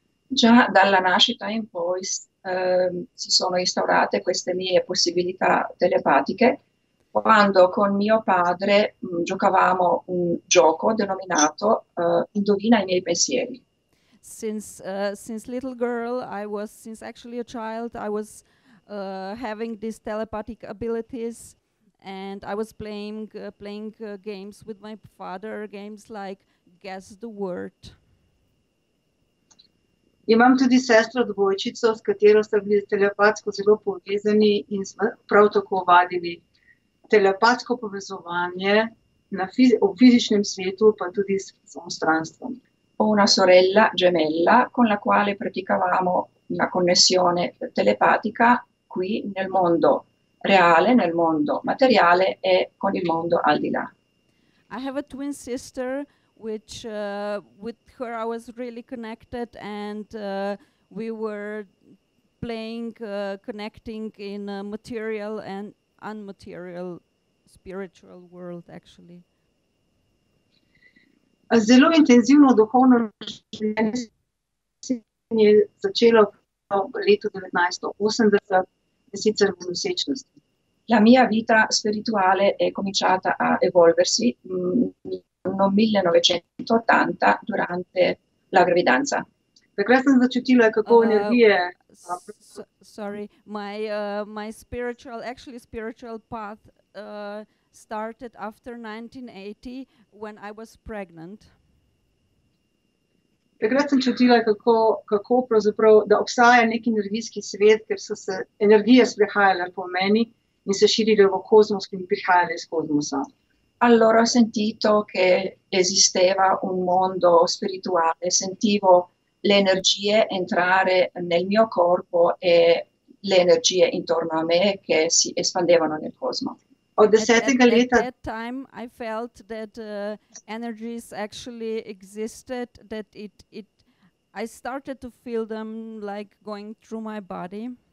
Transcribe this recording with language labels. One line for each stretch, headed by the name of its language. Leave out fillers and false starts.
Italian: Già dalla nascita in poi si sono instaurate queste mie possibilità telepatiche quando con mio padre giocavamo un gioco denominato Indovina i miei pensieri.
English: Since little girl, I was, since actually a child, I was having these telepathic abilities, and I was playing games with my father, games like guess the word.
Slovenian: Imam tudi sestro dvojčico, s katero sta bili telepatsko zelo povezani in smo prav tako vadili telepatsko povezovanje na fizičnem svetu, pa tudi s samostranstvom.
Italian: Ho una sorella gemella con la quale praticavamo una connessione telepatica qui nel mondo reale, nel mondo materiale e con il mondo al di là.
English: I have a twin sister which with her I was really connected and we were playing connecting in a material and unmaterial spiritual world actually.
Slovenian: Zelo intenzivno duhovno življenje je začelo v letu 1980, in sicer v nosečnosti.
Italian: La mia vita spirituale è cominciata a evolversi nel 1980 durante la gravidanza.
Slovenian: Takrat sem začutila, kako energije...
English: Sorry, my spiritual, actually spiritual path started after 1980 when I was pregnant.
Slovenian: Takrat sem čutila, kako pravzaprav, da obstaja nek energijski svet, ker so se energije sprehajale po meni in se širile v kozmos in prihajale iz kozmosa.
Italian: Allora ho sentito che esisteva un mondo spirituale, sentivo le energie entrare nel mio corpo e le energie intorno a me che si espandevano nel cosmo.
Slovenian: Od desetega leta...
English: At that time I felt that energies actually existed, that it I started to feel them like going through my body.